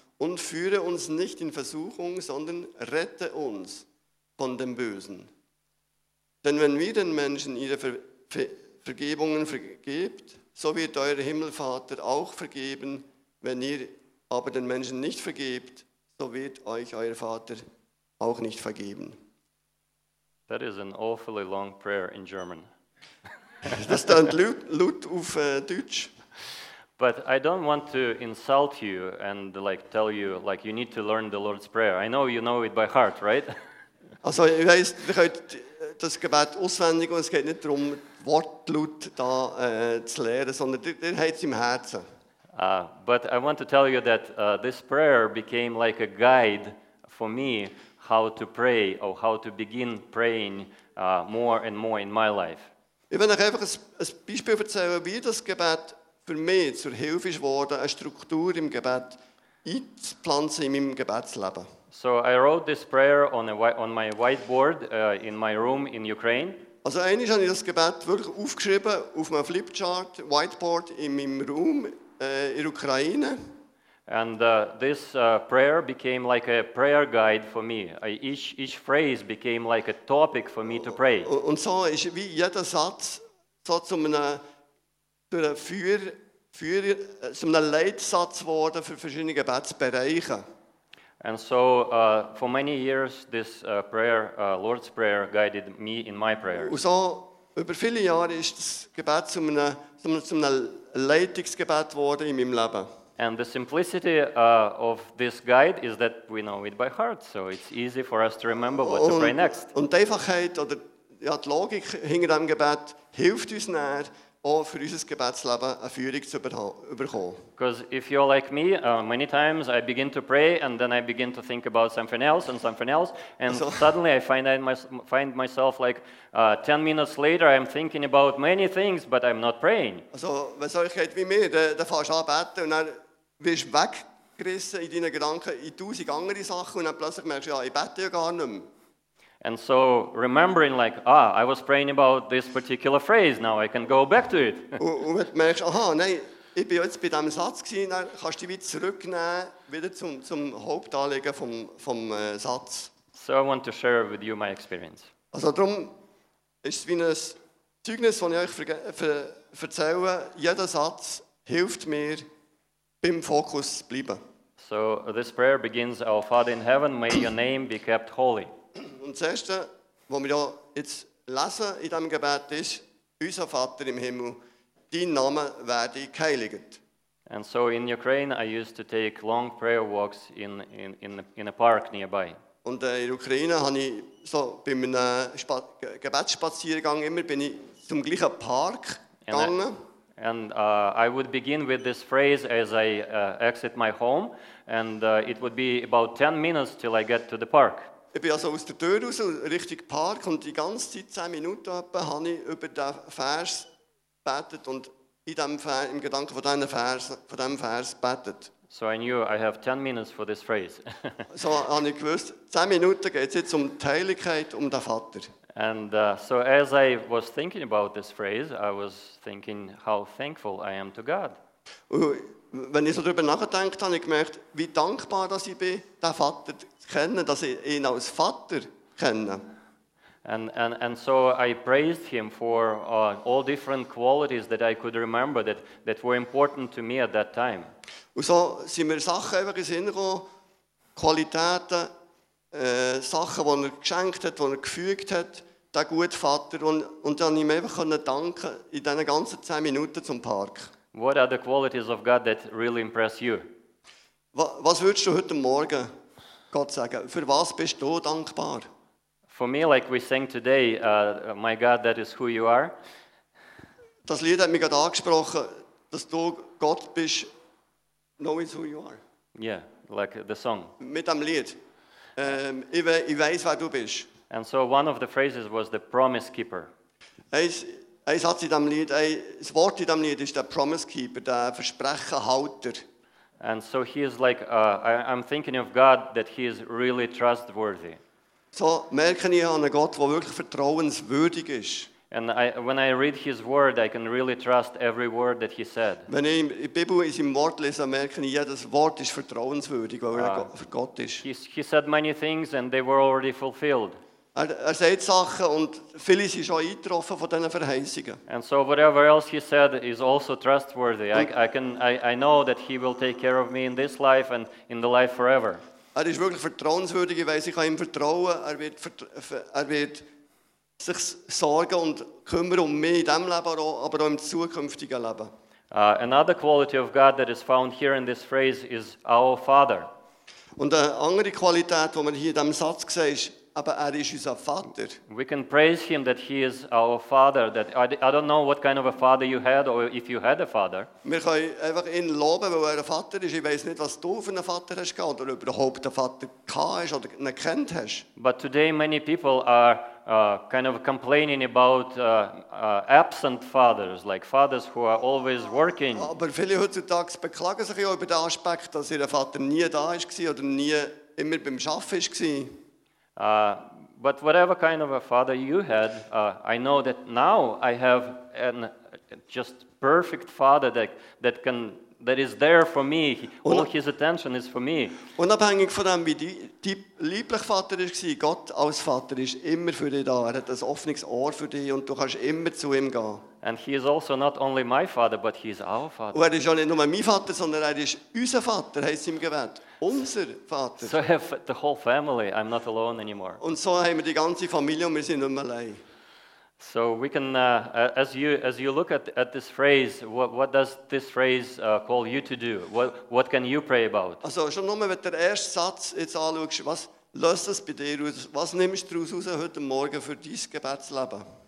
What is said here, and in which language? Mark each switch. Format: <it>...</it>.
<de>Und führe uns nicht in Versuchung, sondern rette uns von dem Bösen. Denn wenn wir den Menschen ihre Vergebungen vergebt, so wird euer Himmelvater auch vergeben. Wenn ihr aber den Menschen nicht vergebt, so wird euch euer Vater auch nicht vergeben.</de> <en>That is an awfully long prayer in German.</en> <de>Das klingt laut auf Deutsch.</de> <en>But I don't want to insult you and like tell you like you need to learn the Lord's Prayer. I know you know it by heart, right?</en> <de>Also, ich weiß, ihr könnt das Gebet auswendig und es geht nicht darum, Wortlaut da zu lehren, sondern der hat es im Herzen.</de> <en>But I want to tell you that this prayer became like a guide for me how to pray or how to begin praying more and more in my life.</en> <de>Ich will euch einfach ein Beispiel erzählen, wie das Gebet für mich zur Hilfe ist worden, eine Struktur im Gebet einzupflanzen in meinem Gebetsleben.</de> <en>So I wrote this prayer on my whiteboard in my room in Ukraine.</en> <de>Also einmal habe ich das Gebet wirklich aufgeschrieben auf meinem Flipchart, Whiteboard in meinem Room in Ukraine.</de> <en>And this prayer became like a prayer guide for me. Each phrase became like a topic for me to pray.</en> <de>Und so ist wie jeder Satz so zu einem zu einem Leitsatz geworden für verschiedene Gebetsbereiche.</de> <en>And so for many years this prayer, Lord's Prayer, guided me in my prayers.</en> <de>Und so über viele Jahre ist das Gebet zu einem Leitungsgebet geworden in meinem Leben.</de> <en>And the simplicity of this guide is that we know it by heart, so it's easy for us to remember what to pray next.</en> <de>Und die Einfachheit oder ja, die Logik hinter dem Gebet hilft uns näher, auch für unser Gebetsleben eine Führung zu bekommen.</de> <en>Because if you're like me, many times I begin to pray and then I begin to think about something else and so, suddenly I find myself like 10 minutes later I'm thinking about many things but I'm not praying.</en> <de>Also, wenn es euch geht wie mir, dann fährst du an beten und dann wirst du weggerissen in deinen Gedanken in tausend andere Sachen und dann plötzlich merkst du, ja, ich bete ja gar nicht mehr.</de> <en>And so remembering like, ah, I was praying about this particular phrase, now I can go back to it.</en> <de>Und du merkst, aha, nein, ich bin jetzt bei diesem Satz gewesen, dann kannst du dich zurücknehmen, wieder zum Hauptanliegen vom Satz.</de> <en>So I want to share with you my experience.</en> <de>Also darum ist es wie ein Zeugnis, das ich euch erzähle, jeder Satz hilft mir, beim Fokus zu bleiben.</de> <en>So this prayer begins, Our Father in Heaven, may your name be kept holy.</en> <de>Und das Erste, was wir jetzt lesen in diesem Gebet, ist, unser Vater im Himmel, dein Name werde geheiligt.</de> <en>And so in Ukraine, I used to take long prayer walks in a park nearby.</en> <de>Und in der Ukraine habe ich so bei meinem Gebetsspaziergang immer bin ich zum gleichen Park gegangen.</de> <en>I would begin with this phrase as I exit my home, and it would be about 10 minutes till I get to the park.</en> <de>Ich bin also aus der Tür raus, Richtung Park, und die ganze Zeit, 10 Minuten etwa, habe ich über den Vers betet und in dem Vers, im Gedanken von diesem Vers betet.</de> <en>So I knew I have 10 minutes for this phrase.</en> <de>So habe ich gewusst, 10 Minuten geht es jetzt um die Heiligkeit, um den Vater.</de> <en>And so as I was thinking about this phrase, I was thinking how thankful I am to God.</en> <de>Und wenn ich so darüber nachgedacht habe, habe ich gemerkt, wie dankbar dass ich bin, den Vater zu kennen, dass ich ihn als Vater kenne.</de> <en>And so I praised him for all different qualities that I could remember that were important to me at that time.</en> <de>Und so sind mir Sachen einfach in Sinn gekommen, Qualitäten, Sachen, die er geschenkt hat, die er gefügt hat, der gute Vater. Und dann konnte ich ihm einfach danken in diesen ganzen 10 Minuten zum Park.</de> <en>What are the qualities of God that really impress you?</en> <de>Was würdest du heute Morgen Gott sagen? Für was bist du dankbar?</de> <en>For me, like we sang today, my God, that is who you are.</en> <de>Das Lied hat mich gerade angesprochen, dass du Gott bist,</de> <en>knowing who you are. Yeah, like the song.</en> <de>Mit dem Lied. Ich weiß, wer du bist.</de> <en>And so one of the phrases was the promise keeper.</en> <de>Ein Satz in diesem Lied, ein Wort in diesem Lied ist der Promise Keeper, der Versprechenhalter.</de> <en>And so he is like, I'm thinking of God that he is really trustworthy.</en> <de>So merke ich an einen Gott, der wirklich vertrauenswürdig ist.</de> <en>And when I read his word, I can really trust every word that he said.</en> <de>Wenn ich die Bibel in seinem Wort lese, merke ich, jedes Wort ist vertrauenswürdig, weil er Gott ist.</de> <en>He said many things and they were already fulfilled.</en> <de>Er sagt Sachen und viele sind schon eingetroffen von diesen Verheißungen.</de> <en>And so whatever else he said is also trustworthy. I know that he will take care of me in this life and in the life forever.</en> <de>Er ist wirklich vertrauenswürdig, ich weiß, ich kann ihm vertrauen. Er wird sich sorgen und kümmern um mich in diesem Leben, aber auch im zukünftigen Leben.</de> <en>Another quality of God that is found here in this phrase is our Father.</en> <de>Und eine andere Qualität, die man hier in diesem Satz sieht, aber er ist unser Vater.</de> <en>We can praise him that he is our father. That I don't know what kind of a father you had or if you had a father.</en> <de>Wir können einfach ihn loben, weil er ein Vater ist. Ich weiß nicht, was du für einen Vater hast gehabt oder überhaupt einen Vater gehabt oder ihn kennt hast.</de> <en>But today many people are kind of complaining about absent fathers, like fathers who are always working.</en> <de>Aber viele heutzutage beklagen sich ja über den Aspekt, dass ihr Vater nie da ist gsi oder nie immer beim Schaffen ist gsi.</de> <en>But whatever kind of a father you had, I know that now I have an just perfect father that is there for me. All his attention is for me.</en> <de>Unabhängig von dem, wie dein lieblicher Vater war, Gott als Vater ist immer für dich da. Er hat ein offenes Ohr für dich und du kannst immer zu ihm gehen.</de> <en>And he is also not only my father, but he is our father.</en> <de>Und er ist ja nicht nur mein Vater, sondern er ist unser Vater, heisst im Gebet. Unser Vater.</de> <en>So I have the whole family. I'm not alone anymore.</en> <de>Und so haben wir die ganze Familie und wir sind nicht mehr allein.</de> <en>So we can, as you look at this phrase, what does this phrase call you to do? What can you pray about?</en> <de>Also schon nur, wenn du den ersten Satz jetzt anschaust, was löst es bei dir aus? Was nimmst du daraus aus heute Morgen für dein Gebetsleben?</de>